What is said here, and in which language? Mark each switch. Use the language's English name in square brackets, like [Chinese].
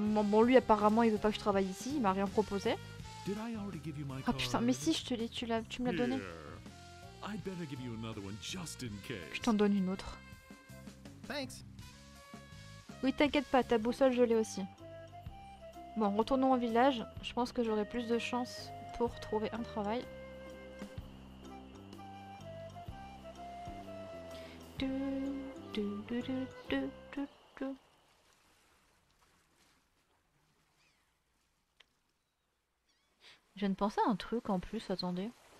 [French] Bon, lui apparemment, il veut pas que je travaille ici, il m'a rien proposé. [English] Did I already give you my card? [French] Ah putain, mais si, je te l'ai, tu me l'as donné. [English] I'd better give you another one just in case. [French] Je t'en donne une autre. [English] Thanks. [French] Oui, t'inquiète pas, ta boussole, je l'ai aussi. Bon, retournons au village. Je pense que j'aurai plus de chance pour trouver un travail. Je viens de penser à un truc en plus, attendez.